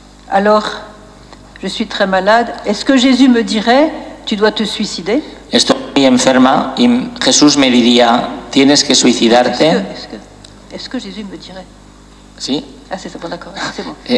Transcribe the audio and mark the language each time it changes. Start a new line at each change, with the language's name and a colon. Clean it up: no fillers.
French: Alors, je suis très malade. Est-ce que Jésus me dirait, tu dois te suicider?
Spanish: Estoy muy enferma y Jesús me diría, tienes que suicidarte.
French: Est-ce que Jésus me dirait?
Spanish: Sí.
French: Ah, c'est bon, d'accord, c'est bon.